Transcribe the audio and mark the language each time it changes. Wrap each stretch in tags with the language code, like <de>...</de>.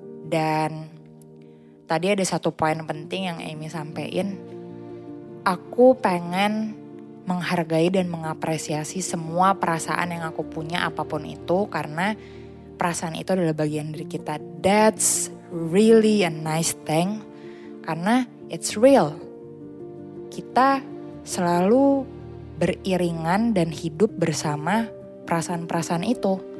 <id>Dan tadi ada satu poin penting yang Amy sampein. Aku pengen menghargai dan mengapresiasi semua perasaan yang aku punya apapun itu, karena perasaan itu adalah bagian dari kita.</id> <en>That's really a nice thing, karena it's real.</en> <id>Kita selalu beriringan dan hidup bersama perasaan-perasaan itu.</id>